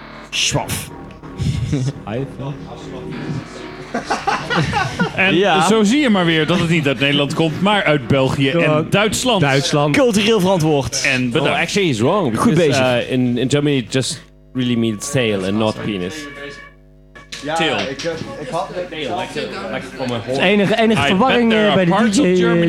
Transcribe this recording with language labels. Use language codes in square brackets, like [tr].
[nl] Schwaf. En ja. Zo zie je maar weer dat het niet uit Nederland komt, maar uit België en Duitsland. Duitsland. Cultureel verantwoord. En bedankt. [en] Oh, actually, he's wrong. [nl] Goed bezig. [en] In Germany, it just really means tail and not penis. Tail. [nl] Het enige verwarring bij de DJ.